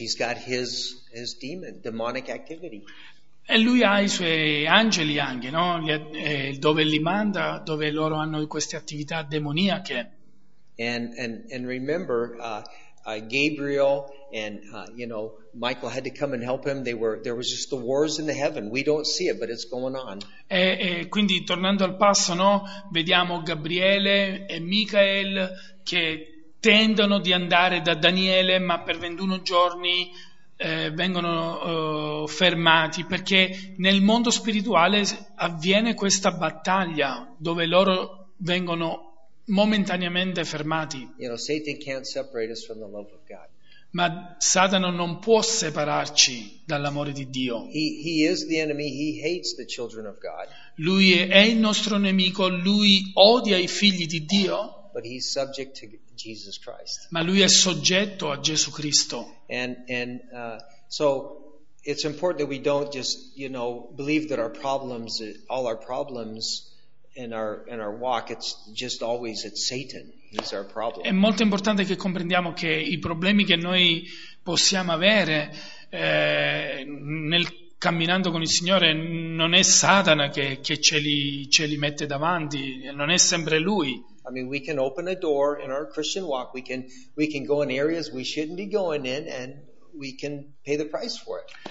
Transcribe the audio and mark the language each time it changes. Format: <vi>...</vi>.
<en>He's got his demon, demonic activity.</en> <it>E lui ha i suoi angeli anche, no? Dove li manda, dove loro hanno queste attività demoniache.</it> <en>And remember, Gabriel and Michael had to come and help him. There was just the wars in the heaven. We don't see it, but it's going on.</en> <it>E quindi tornando al passo, no, vediamo Gabriele e Michael che tendono di andare da Daniele, ma per 21 giorni vengono fermati, perché nel mondo spirituale avviene questa battaglia dove loro vengono momentaneamente fermati.</it> <en>Satan can't separate us from the love of God.</en> <it>Ma Satana non può separarci dall'amore di Dio.</it> <en>He is the enemy. He hates the children of God.</en> <it>Lui è il nostro nemico. Lui odia i figli di Dio.</it> <en>But he's subject to Jesus Christ.</en> <it>Ma lui è soggetto a Gesù Cristo.</it> <en>And so it's important that we don't just believe that our problems, all our problems in our walk, it's just always it's Satan. He's our problem.</en> <it>È molto importante che comprendiamo che i problemi che noi possiamo avere nel camminando con il Signore non è Satana che ce li mette davanti, non è sempre lui.</it> <en>I mean, we can open a door in our Christian walk. We can go in areas we shouldn't be going in, and we can pay the price for it.</en>